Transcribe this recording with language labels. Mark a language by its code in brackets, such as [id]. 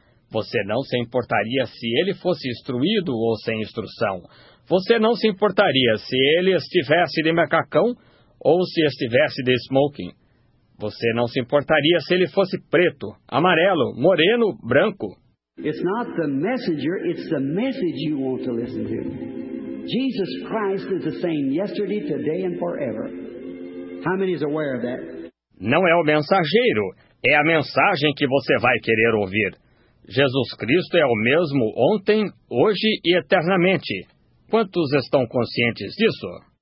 [pt] Você não se importaria se ele fosse instruído ou sem instrução. Você não se importaria se ele estivesse de macacão ou se estivesse de smoking. Você não se importaria se ele fosse preto, amarelo, moreno, branco. [en] It's not the messenger, it's the message you want to listen to. Jesus Christ is the same yesterday, today and forever. How many is aware of that? [pt] Não é o mensageiro, é a mensagem que você vai querer ouvir. Jesus Cristo é o mesmo ontem, hoje e eternamente. Quantos estão conscientes disso?